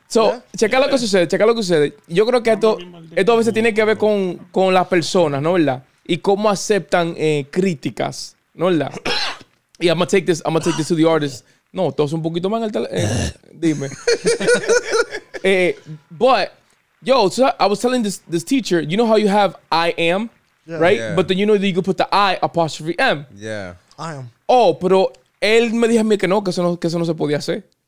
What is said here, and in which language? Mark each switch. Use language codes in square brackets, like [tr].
[en] So, yeah. [es] checa lo que sucede. Yo creo que esto a veces tiene que ver con las personas, ¿no es verdad? Y cómo aceptan críticas, ¿no es verdad? Y [en] I'm gonna take this to the artist. [es] No, todos un poquito más en el teléfono. Dime. [en] But... Yo, so I was telling this teacher, you know how you have I am, yeah, right? Yeah. But then you know that you can put the I apostrophe M. Yeah. I am. [es] Oh, pero él me dijo a mí que eso no se podía hacer.